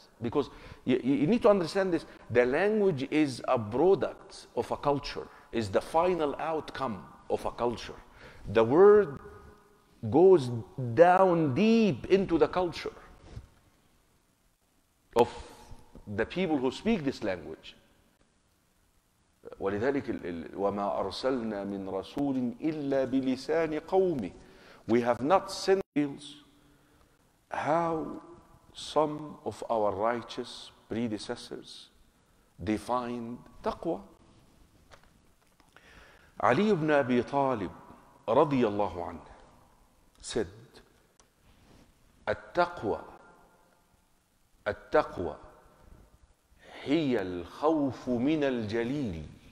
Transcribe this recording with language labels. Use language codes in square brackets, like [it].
[en] Because you need to understand this, the language is a product of a culture, is the final outcome of a culture. The word goes down deep into the culture of the people who speak this language. [ar] ولذلك وما أرسلنا من رسول إلا بلسان قومه. [en] We have not sent deals how some of our righteous predecessors defined taqwa. [ar] علي بن أبي طالب رضي الله عنه said, التقوى هي الخوف من الجليل.